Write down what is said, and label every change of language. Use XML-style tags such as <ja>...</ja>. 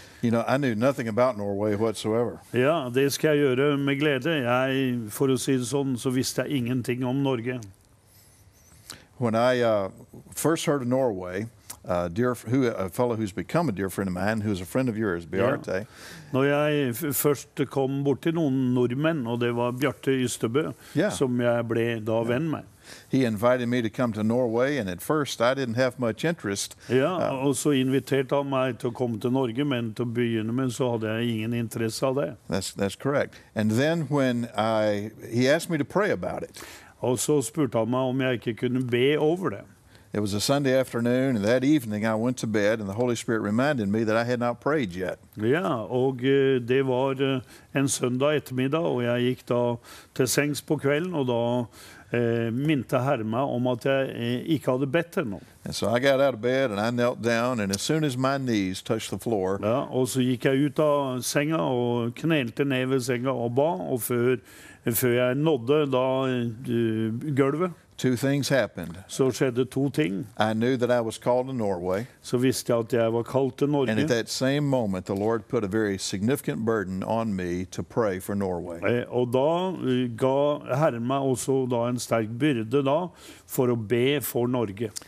<en>You know, I knew nothing about Norway whatsoever.</en> <no>Ja, det skal jeg gjøre med glede. Jeg, for å si det sånn, så visste jeg ingenting om Norge.</no> <en>When I first heard of Norway, a fellow who's become a dear friend of mine, who's a friend of yours, Bjarte. Yeah.</en> <no>Når jeg først kom bort til noen nordmenn, og det var Bjarte Ystebø, som jeg ble da venn med.</no> <en>He invited me to come to Norway, and at first I didn't have much interest.</en> <no>Ja, og så inviterte han meg til å komme til Norge, men til å begynne med så hadde jeg ingen interesse av det.</no> <en>That's correct. And then when he asked me to pray about it.</en> <no>Og så spurte han meg om jeg ikke kunne be over det.</no> <en>It was a Sunday afternoon, and that evening I went to bed, and the Holy Spirit reminded me that I had not prayed yet.</en> <no>Ja, og det var en søndag ettermiddag, og jeg gikk da til sengs på kvelden, og da minte Herre meg om at jeg ikke hadde bedt ennå.</no> <en>And so I got out of bed, and I knelt down, and as soon as my knees touched the floor.</en> <no>Ja, og så gikk jeg ut av senga, og knelte ned ved senga, og ba, og før jeg nådde da gulvet.</no> <en>Two things happened.</en> <no>Så skjedde to ting.</no> <en>I knew that I was called to Norway.</en> <no>Så visste jeg at jeg var kalt til Norge.</no> <en>And at that same moment, the Lord put a very significant burden on me to pray for Norway.</en> <no>Og da ga Herren meg også da en sterk byrde da for å be for Norge.</no>